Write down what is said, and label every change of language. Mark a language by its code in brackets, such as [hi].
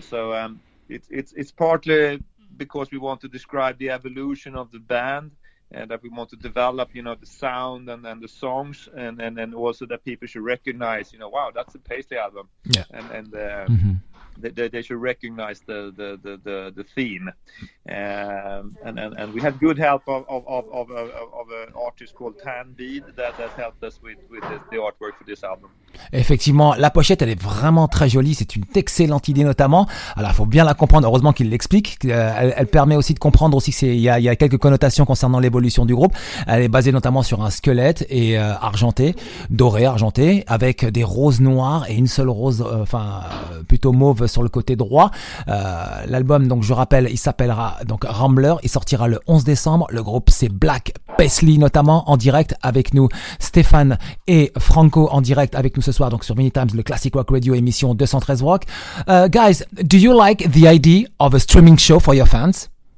[en] So it's partly because we want to describe the evolution of the band, and that we want to develop, the sound and the songs, and also that people should recognize, wow, that's a Paisley album, yeah. and mm-hmm. they should recognize the theme, and we had good help of an artist called Tan Bead that helped us with the artwork for this album. [fr] Effectivement, la pochette, elle est vraiment très jolie. C'est une excellente idée, notamment. Alors, faut bien la comprendre. Heureusement qu'il l'explique. Elle permet aussi de comprendre aussi qu'il y a quelques connotations concernant l'évolution du groupe. Elle est basée notamment sur un squelette et argenté, doré, argenté, avec des roses noires et une seule rose, plutôt mauve sur le côté droit. L'album, donc, je rappelle, il s'appellera donc Rambler. Il sortira le 11 décembre. Le groupe, c'est Black Paisley, notamment en direct avec nous, Stéphane et Franco en direct avec nous ce soir, donc sur Mini Times, le Classic Rock Radio, émission 213 Rock. [en] Guys, do you like the idea of a streaming show for your fans?